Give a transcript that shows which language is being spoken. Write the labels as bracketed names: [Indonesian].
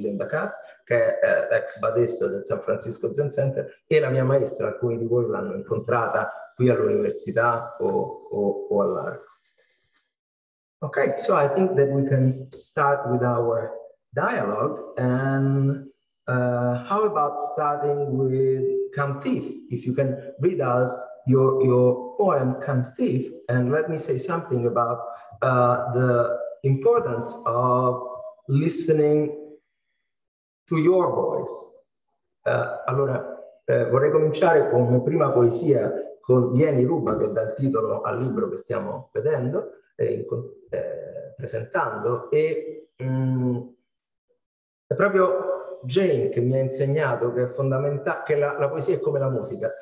[Italian] Linda Katz, che è ex badessa del San Francisco Zen Center, e la mia maestra, alcuni di voi l'hanno incontrata qui all'università o all'Arco. [English] Ok, so I think that we can start with our dialogue, and how about starting with Come Thief, if you can read us your poem Come Thief, and let me say something about the importance of listening to your voice. [Italian] Allora, vorrei cominciare con la mia prima poesia, con Vieni Ruba, che dà il titolo al libro che stiamo vedendo e presentando. E è proprio Jane che mi ha insegnato che è fondamentale, che la poesia è come la musica.